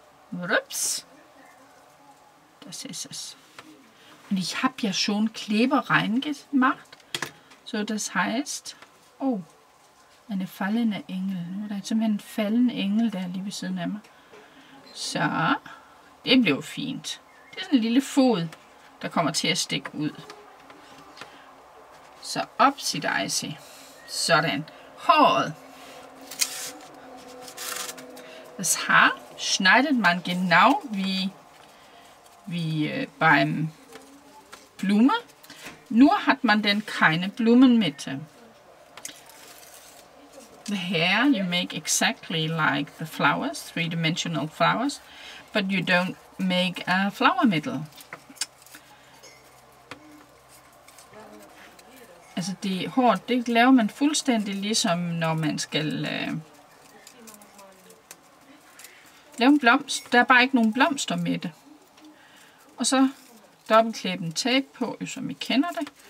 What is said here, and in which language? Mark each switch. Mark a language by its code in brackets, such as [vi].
[de] Rups. Das ist es. Und ich habe ja schon Kleber reingemacht. So, das heißt, oh, eine fallende Engel. Da ist immer ein fallende Engel, der liebe Sinnemmer. [da] So, det blev fint. Det er sådan en lille fod, der kommer til at stikke ud. Så upsy-daisy. Sådan. Håret. [de] Das Haar schneidet man genau wie beim Blume. Nur hat man denn keine Blumenmitte. [en] The hair you make exactly like the flowers, three-dimensional flowers, but you don't make a flower middle. [da] Altså det hår, det laver man fuldstændig ligesom når man skal lave en blomst. Der er bare ikke nogen blomster med det. Og så dobbeltklæb en tape på, som I kender det.